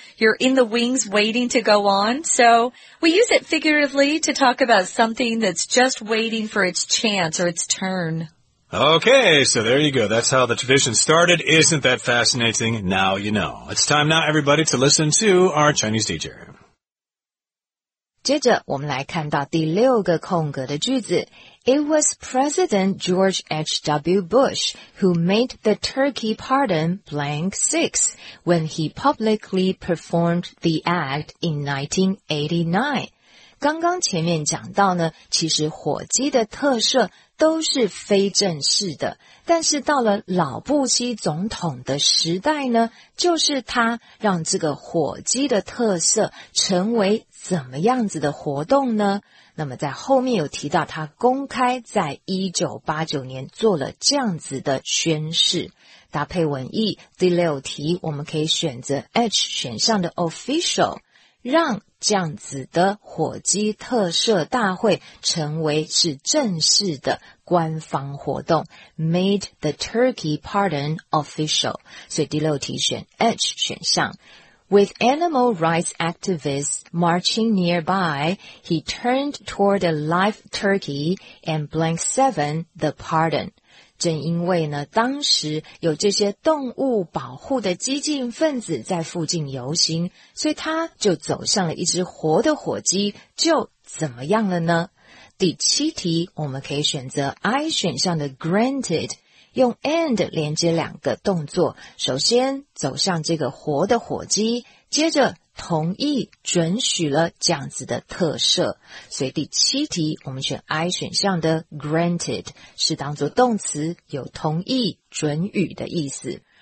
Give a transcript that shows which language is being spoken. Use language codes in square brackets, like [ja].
[en] You're in the wings waiting to go on. So we use it figuratively to talk about something that's just waiting for its chance or its turn. Okay, so there you go. That's how the tradition started. Isn't that fascinating? Now you know. It's time now, everybody, to listen to our Chinese teacher. [zh] 接着我们来看到第六个空格的句子。 [en] It was President George H.W. Bush who made the turkey pardon blank six when he publicly performed the act in 1989. [zh] 刚刚前面讲到呢，其实火鸡的特赦都是非正式的，但是到了老布希总统的时代呢，就是他让这个火鸡的特赦成为怎么样子的活动呢？那么在后面有提到他公开在1989年做了这样子的宣誓。搭配文意，第六题我们可以选择 H 选项的 official， 让这样子的火鸡特赦大会成为是正式的官方活动 ， [en] made the turkey pardon official。 [zh] 所以第六题选 H 选项。 [en] With animal rights activists marching nearby, he turned toward a live turkey and blank seven the pardon. [zh] 正因为呢，当时有这些动物保护的激进分子在附近游行，所以他就走向了一只活的火鸡，就怎么样了呢？第七题，我们可以选择 I 选项的 granted， 用 and 连接两个动作，首先走向这个活的火鸡，接着同意准许了这样子的特赦，所以第七题我们选 I 选项的 granted 是当作动词，有同意准予的意思。